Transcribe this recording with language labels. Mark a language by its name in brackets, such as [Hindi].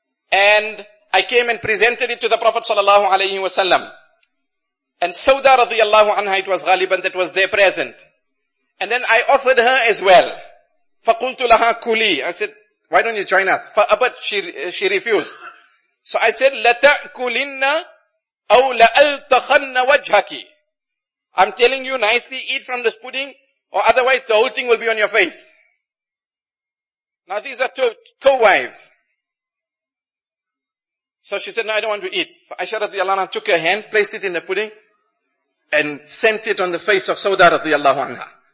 [English] And I came and presented it to the Prophet صلى الله عليه وسلم. And Sauda radiallahu anha, it was Ghaliban that was there present. And then I offered her as well. [Arabic] فَقُلْتُ لَهَا كُلِي. [English] I said, why don't you join us? But she refused. So I said, [Arabic] لَتَأْكُلِنَّ أَوْ لَأَلْتَخَنَّ وَجْهَكِ. [English] I'm telling you nicely, eat from this pudding, or otherwise the whole thing will be on your face. Now these are two co-wives. So she said, no, I don't want to eat. So Aisha radiallahu anha took her hand, placed it in the pudding, and sent it on the face of Sauda radiallahu anha.